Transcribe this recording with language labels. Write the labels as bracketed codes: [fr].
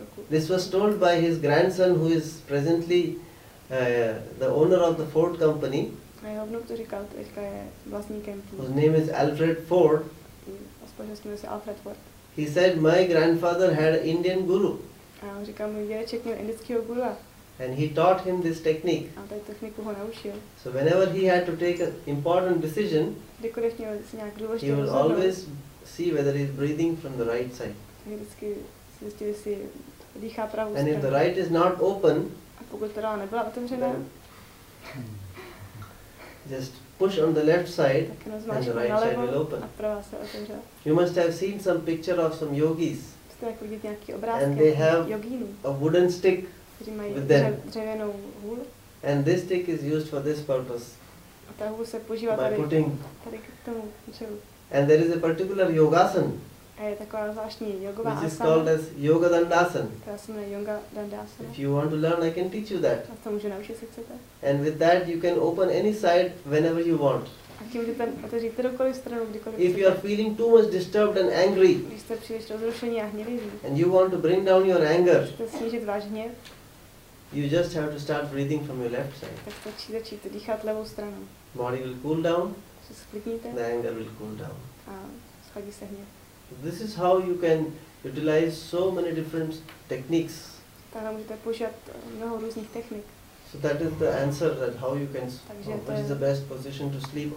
[en] This was told by his grandson, who is presently the owner of the Ford company. [cs] A jeho vnuk to říkal, teďka je vlastníkem. [en] His name is Alfred Ford. [cs] Spojil se Alfred Ford. [en] He said my grandfather had an Indian guru. [cs] A on říkal, můj dědeček měl indického gurua. [en] And he taught him this technique. [cs] A tu techniku ho naučil. [en] So whenever he had to take an important decision, [cs] kdykoliv měl si nějak důležitý, [en] he will always see whether he is breathing from the right side. [cs] Vždycky zjistil, jestli dýchá pravou stranu. [en] And if the right is not open, [cs] a pokud pravá nebyla otevřená, [en] just push on the left side and the right [cs] nalevo, [en] side will open. [cs] A pravá se otevřela. [en] You must have seen some picture of some yogis. [cs] Jste jak vidět nějaký obrázky. [en] And they have [cs] jogínů, [en] a wooden stick with them. [cs] Dřevěnou hůl. [en] And this stick is used for this purpose. [cs] A ta hůl se používá [en] by putting. [cs] Tady k tomu dřevu. [en] And there is a particular yogasana. [cs] A je taková zvláštní yogová asana. [en] Which is called as yoga dandasana. [cs] Která se jmenuje yoga dandasana. [en] If you want to learn, I can teach you that. [cs] A to můžu naučit, jestli chcete. [en] And with that you can open any side whenever you want. [cs] A tím můžete otevřít kteroukoliv stranu, kdykoliv. [en] If you are feeling too much disturbed and angry, [cs] když jste příliš rozrušení a hněvivý, [en] and you want to bring down your anger, [cs] chcete snížit váš hněv, [en] you just have to start breathing from your left side. [cs] Tak stačí začít dýchat levou stranu. [en] Body will cool down. [cs] Se sklidníte. [en] The anger will cool down. [cs] A schladí se hněv. [en] This is how you can utilize so many different techniques. [cs] Takhle můžete používat mnoho různých technik. [en] So that is the answer that how you can, which is the best position to sleep.